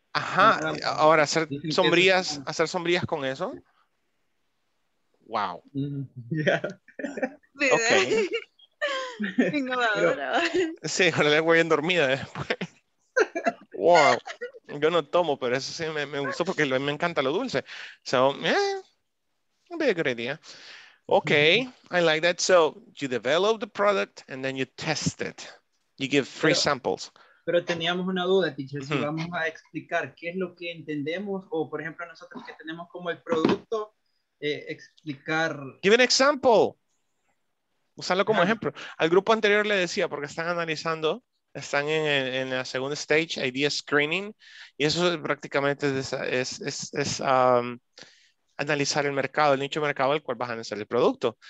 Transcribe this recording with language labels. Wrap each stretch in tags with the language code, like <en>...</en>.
<es>Ajá. Ahora, hacer sombrillas con eso. Wow.</es> <en>Yeah. Ok.</en> <es>Innovadora. Sí, ahora le voy bien dormida después. Wow. Yo no tomo, pero eso sí me gustó porque me encanta lo dulce.</es> <en>So, be a good idea. Okay, I like that. So you develop the product and then you test it. You give free samples.</en> <es>Pero teníamos una duda, teacher. Si vamos a explicar qué es lo que entendemos, o por ejemplo nosotros que tenemos como el producto, explicar.</es> <en>Give an example.</en> <es>Usarlo como ejemplo. Al grupo anterior le decía porque están analizando, están en la segunda stage, idea screening, y eso prácticamente es analizar el mercado, el nicho de mercado al cual vas a analizar el producto.</es>